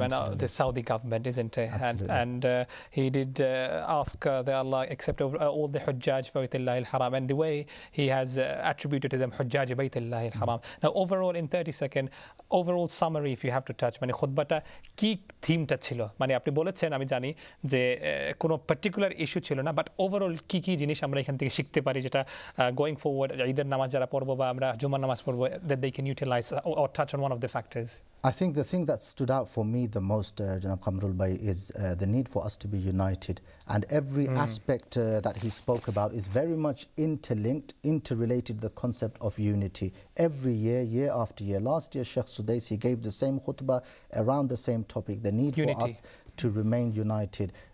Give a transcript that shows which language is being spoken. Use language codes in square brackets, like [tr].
[en] absolutely, and the Saudi government, isn't it? Absolutely. And he did ask that Allah accept all the Hujjaj for Baytullah al-Haram, and the way he has attributed to them Hujjaj Baytullah al-Haram. Now, overall, in 30 seconds, overall summary, if you have to touch, [bn] খুতবাটা কি থিমটা ছিল? মানে আপনি বলেছেন, আমি জানি যে কোনো পার্টিকুলার ইস্যু ছিল না, বাট ওভারঅল কি কি জিনিস আমরা এখান থেকে শিখতে পারি যেটা [en] going forward [bn] ঈদের নামাজ যারা পড়বো বা আমরা জুমার নামাজ পড়বো, [en] That they can utilize or touch on one of the factors? I think the thing that stood out for me the most, Janab Qamrul Bhai, is the need for us to be united. And every aspect that he spoke about is very much interlinked, interrelated, the concept of unity. Every year, year after year, last year, Sheikh Sudais, he gave the same khutbah around the same topic, the need unity. For us to remain united.